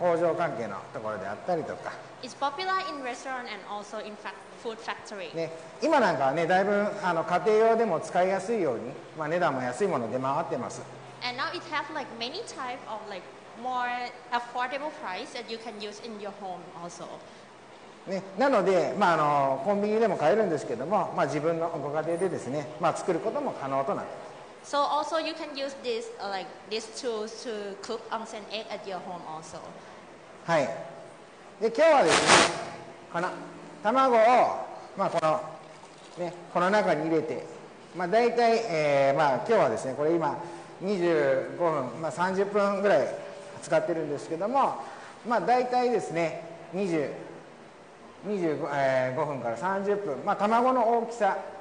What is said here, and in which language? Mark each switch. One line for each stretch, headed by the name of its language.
Japanese: そう、レストランであったり、もしくは大きな工場関係のところであったりとか。
English: It's popular in restaurant and also in food factory.
Japanese: ね、今なんかはね、だいぶ家庭用でも使いやすいように、値段も安いもの出回ってます。
English: And now it has like many type of like more affordable price that you can use in your home also.
Japanese: ね、なので、コンビニでも買えるんですけども、自分のご家庭でですね、作ることも可能となっています。
English: So also you can use this like these tools to cook onsen egg at your home also.
Japanese: はい。で、今日はですね、この卵をまあこのねこの中に入れて、まあ大体、まあ今日はですねこれ今25分まあ30分ぐらい使ってるんですけども、まあ大体ですね25分から30分、まあ卵の大きさ